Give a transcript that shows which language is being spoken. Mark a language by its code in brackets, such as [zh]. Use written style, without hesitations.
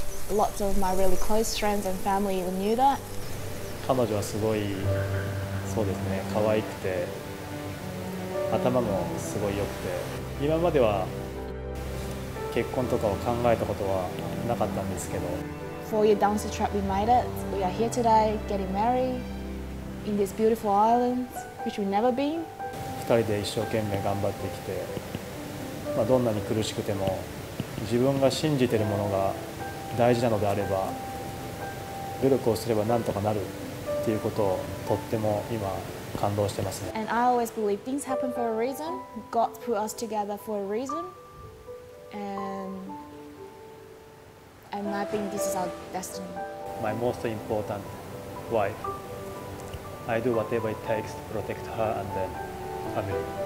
[en] Lots of my really close friends and family knew that. [ja] 彼女はすごい、そうですね、可愛くて、頭もすごい良くて、今までは結婚とかを考えたことはなかったんですけど。 [en] 4-year dancer trip, we made it. We are here today, getting married in this beautiful island, which we've never been. [ja] 2人で一生懸命頑張ってきて。まあ、どんなに苦しくても自分が信じているものが大事なのであれば努力をすればなんとかなるっていうことをとっても今感動してますね。 [en] And I always believe things happen for a reason. God put us together for a reason. And I think this is our destiny. My most important wife. I do whatever it takes to protect her and then family.